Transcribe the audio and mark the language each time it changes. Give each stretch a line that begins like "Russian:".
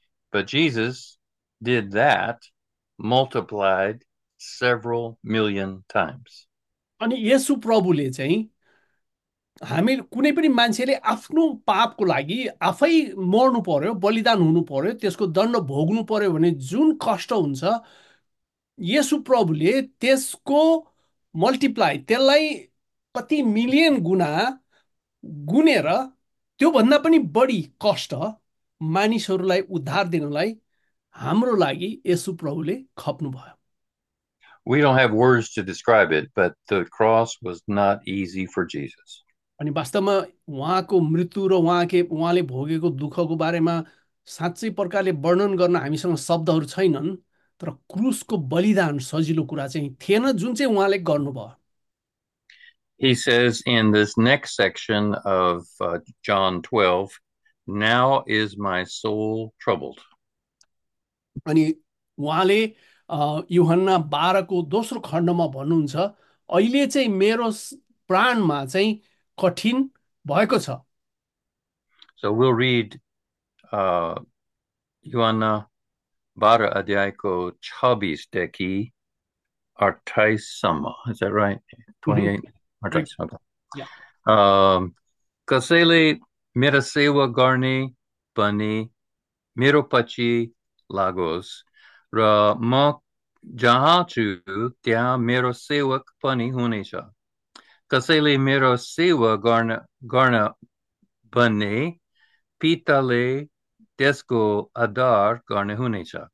English: But Jesus did that. Multiplied several million times.
Nepali: अनि येशु प्रभुले चाहिँ हामी कुनै पनि मान्छेले आफ्नो पापको लागि आफै मर्नु पर्यो, बलिदान हुनु पर्यो, त्यसको दण्ड भोग्नु पर्यो भने जुन कष्ट हुन्छ, येशु प्रभुले त्यसको मल्टिप्लाई, त्यसलाई कति मिलियन गुणा गुनेर त्योभन्दा पनि बढी कष्ट मानिसहरूलाई उद्धार दिनलाई हाम्रो लागि Yeshu प्रभुले खप्नुभयो।
English: We don't have words to describe it, but the cross was not easy for Jesus.
Nepali: अनि वास्तवमा उहाँको मृत्यु र उहाँले भोगेको दुःखको बारेमा साँच्चै प्रकारले वर्णन गर्न हामीसँग शब्दहरू छैनन्, तर क्रुसको बलिदान सजिलो कुरा चाहिँ थिएन जुन चाहिँ उहाँले गर्नुभयो।
English: He says in this next section of John 12, "Now is my soul troubled."
Nepali: अनि उहाँले युहन्ना 12:2 दोस्रो खण्डमा भन्नुहुन्छ, अहिले चाहिँ मेरो प्राणमा चाहिँ कठिन भएको छ।
English: So we'll read Joanna 12
Nepali: अध्यायको 26 देखि 28 सम्म.
English: Is that right? 28, 28. Okay.
Nepali: कसैले मेरो सेवा गर्ने पनि मेरो पछि लागोस् र म जहाँ छु त्यहाँ मेरो सेवक पनि हुनेछ. कसैले मेरो सेवा गर्न भन्ने पिताले त्यसको आदर गर्नुहुनेछ.